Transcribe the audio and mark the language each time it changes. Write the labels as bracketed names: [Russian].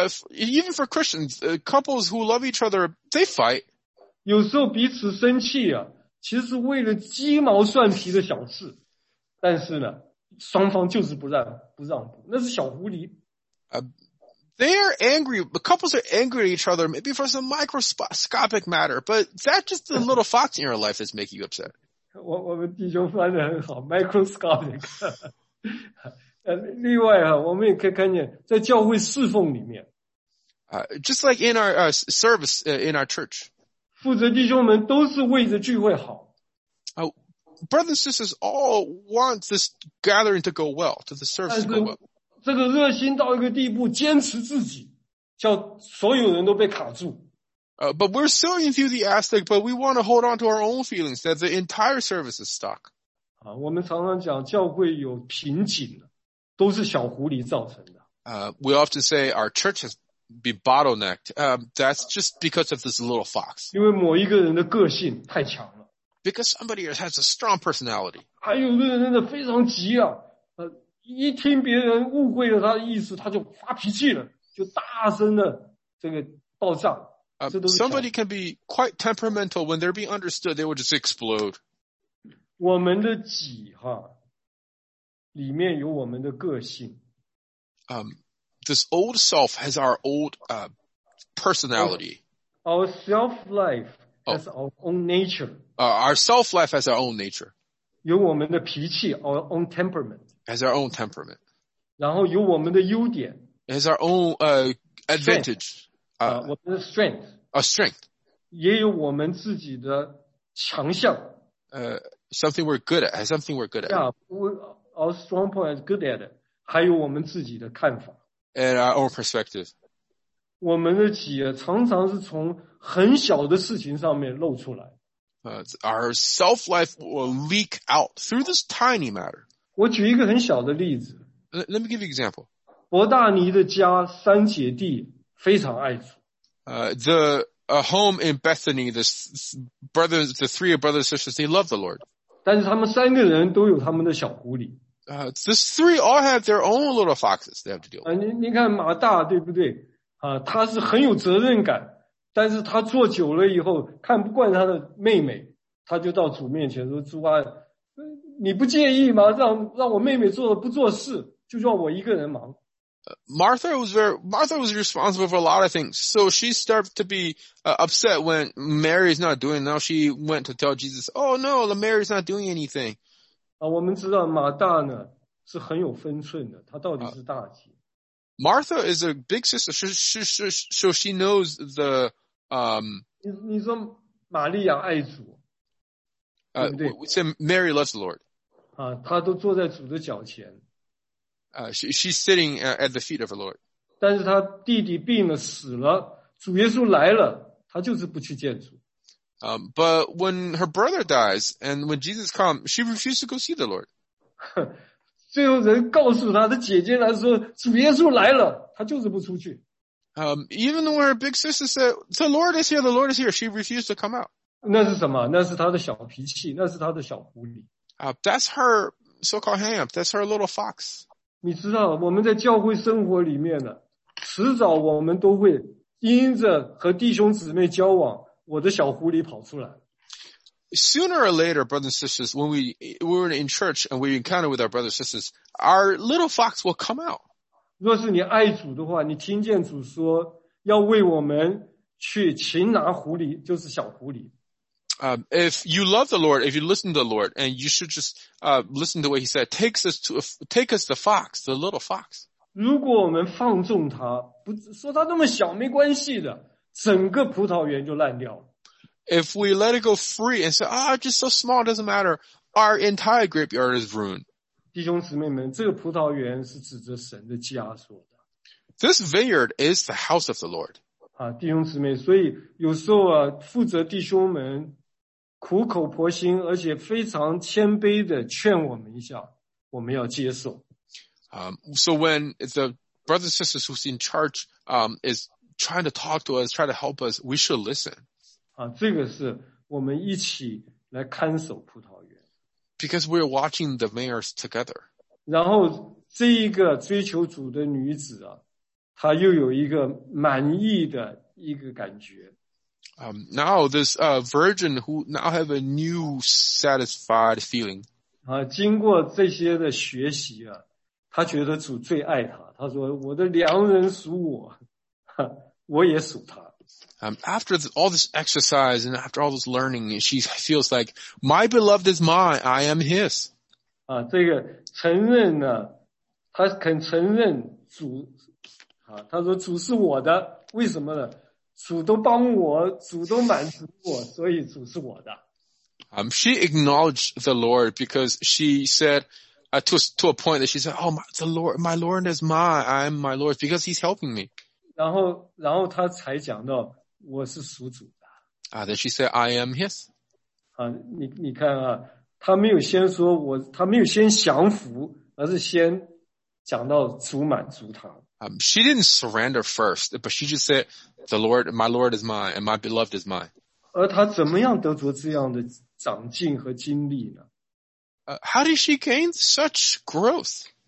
[English] Even for Christians, couples who love each other, they fight. [Chinese] 有时候彼此生气啊，其实为了鸡毛蒜皮的小事，但是呢，双方就是不让步，那是小狐狸。 [English] They are angry, the couples are angry at each other, maybe for some microscopic matter, but that's just the little fox in your life that's making you upset. [Chinese] 我们弟兄翻得很好 ,microscopic. 另外啊，我们也可以看见在教会侍奉里面。 [English] Just like in our service, in our church. [Chinese] 负责弟兄们都是为着聚会好。 [English] Brothers and sisters all want this gathering to go well, to the service to go well. [Chinese] 这个热心到一个地步，坚持自己，叫所有人都被卡住。 [English] But we're so enthusiastic, but we want to hold on to our own feelings that the entire service is stuck. [Chinese] 我们常常讲教会有瓶颈，都是小狐狸造成的。 [English] We often say our church has been bottlenecked. That's just because of this little fox. [Chinese] 因为某一个人的个性太强了。 [English] Because somebody has a strong personality. [Chinese] 还有一个人真的非常急啊。一听别人误会了他的意思，他就发脾气了，就大声的这个爆炸。 [English] Somebody can be quite temperamental when they're being understood, they will just explode. [Chinese] 我们的己哈，里面有我们的个性。 [English] This old self has our old personality. Our self life has our own nature. Our self life has our own nature. [Chinese] 有我们的脾气 ， [English] our own temperament. As our own temperament. [Chinese] 然后有我们的优点。 [English] As our own advantage. Strength, [Chinese] 我们的 [English] strength. A strength. [Chinese] 也有我们自己的强项。 [English] Something we're good at. Something we're good at. Yeah, our strong point is good at it. [Chinese] 还有我们自己的看法。 [English] And our own perspective. [Chinese] 我们的己常常是从很小的事情上面露出来。 [English] Our self-life will leak out through this tiny matter. [Chinese] 我举一个很小的例子。 [English] Let me give you an example. [Chinese] 伯大尼的家三姐弟非常爱主。 [English] The home in Bethany, the three brothers and sisters, they love the Lord. [Chinese] 但是他们三个人都有他们的小狐狸。 [English] The three all have their own little foxes they have to deal with. [Chinese] 你看马大对不对？他是很有责任感，但是他坐久了以后看不惯他的妹妹，他就到主面前说：“主啊。” 你不介意吗？让我妹妹做的不做事，就让我一个人忙。 [English] Martha was responsible for a lot of things. So she started to be upset when Mary's not doing. Now she went to tell Jesus, "Oh no, Mary's not doing anything." [Chinese] 啊，我们知道马大呢是很有分寸的，她到底是大姐。 [English] Martha is a big sister. She so she knows the [Chinese] 你说玛利亚爱主，对不对 [English] ？We say Mary loves the Lord. [Chinese] 啊，她都坐在主的脚前。 [English] She's sitting at the feet of the Lord. [Chinese] 但是她弟弟病了死了，主耶稣来了，她就是不去见主。 [English] But when her brother dies and when Jesus comes, she refuses to go see the Lord. [Chinese] 最后人告诉她的姐姐来说，主耶稣来了，她就是不出去。 [English] Even when her big sister said, "The Lord is here, the Lord is here," she refused to come out. [Chinese] 那是什么？那是她的小脾气，那是她的小狐狸。 [English] That's her so-called hang up. That's her little fox. [Chinese] 你知道，我们在教会生活里面呢，迟早我们都会因着和弟兄姊妹交往。我的小狐狸跑出来。 [English] Sooner or later, brothers and sisters, when we're in church and we encounter with our brothers and sisters, our little fox will come out. [Chinese] 若是你爱主的话，你听见主说要为我们去擒拿狐狸，就是小狐狸。 [English] If you love the Lord, if you listen to the Lord, and you should just listen to what He said, take us the fox, the little fox. [Chinese] 如果我们放纵他，不说他那么小没关系的。整个葡萄园就烂掉了。 [English] If we let it go free and say, just so small, doesn't matter, our entire grapevine is ruined. [Chinese] 弟兄姊妹们，这个葡萄园是指着神的家说的。 [English] This vineyard is the house of the Lord. [Chinese] 啊，弟兄姊妹，所以有时候啊，负责弟兄们苦口婆心，而且非常谦卑的劝我们一下，我们要接受。 [English] So when the brothers and sisters who's in charge, is trying to talk to us, try to help us, we should listen. [Chinese] 啊，这个是我们一起来看守葡萄园。 [English] Because we're watching the vineyards together. [Chinese] 然后这一个追求主的女子啊，她又有一个满意的一个感觉。 [English] Now this virgin who now have a new satisfied feeling. [Chinese] 啊，经过这些的学习啊，她觉得主最爱她。她说：“我的良人属我。” 我也属他。 [English] After all this exercise and after all this learning, she feels like, my beloved is mine, I am his. [Chinese] 啊，这个承认呢，他肯承认主，啊，他说主是我的，为什么呢？主都帮我，主都满足我，所以主是我的。 [English] She acknowledged the Lord because she said, to a point that she said, oh, my Lord is mine, I am my Lord, because he's helping me. [Chinese] 然后他才讲到我是属主的。 [English] Then she said, I am his. [Chinese] 啊，你看啊，他没有先说我，他没有先降服，而是先讲到主满足他。 [English] She didn't surrender first, but she just said, the Lord, my Lord is mine, and my beloved is mine. [Chinese] 而他怎么样得着这样的长进和经历呢？ [English] How did she gain such growth?